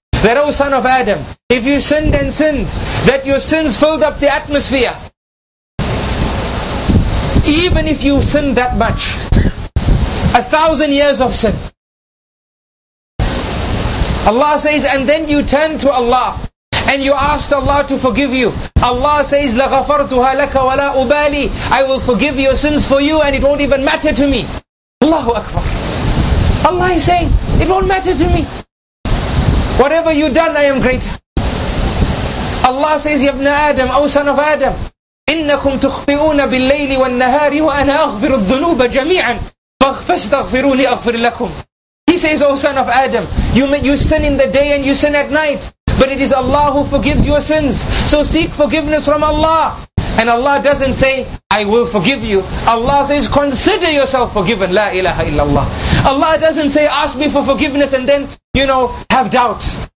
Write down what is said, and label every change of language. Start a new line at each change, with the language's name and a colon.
English: That, O son of Adam, if you sinned and sinned, that your sins filled up the atmosphere. Even if you sinned that much, 1,000 years of sin. Allah says, and then you turn to Allah and you asked Allah to forgive you. Allah says,
Arabic: لَغَفَرْتُهَا لَكَ وَلَا أُبَالِي.
English: I will forgive your sins for you and it won't even matter to me. Allahu Akbar. Allah is saying, it won't matter to me. Whatever you've done, I am greater. Allah says,
Arabic: يَا ابْنَ آدَمْ أَوْ سَنَ فَآدَمْ إِنَّكُمْ تُخْطِئُونَ بِاللَّيْلِ وَالنَّهَارِ وَأَنَا أَغْفِرُ الذُّنُوبَ جَمِيعًا فَاسْتَغْفِرُونِ أَغْفِرْ لَكُمْ.
English: He says, O son of Adam, you sin in the day and you sin at night. But it is Allah who forgives your sins. So seek forgiveness from Allah. And Allah doesn't say, I will forgive you. Allah says, consider yourself forgiven. La ilaha illallah. Allah doesn't say, ask me for forgiveness and then, you know, have doubt.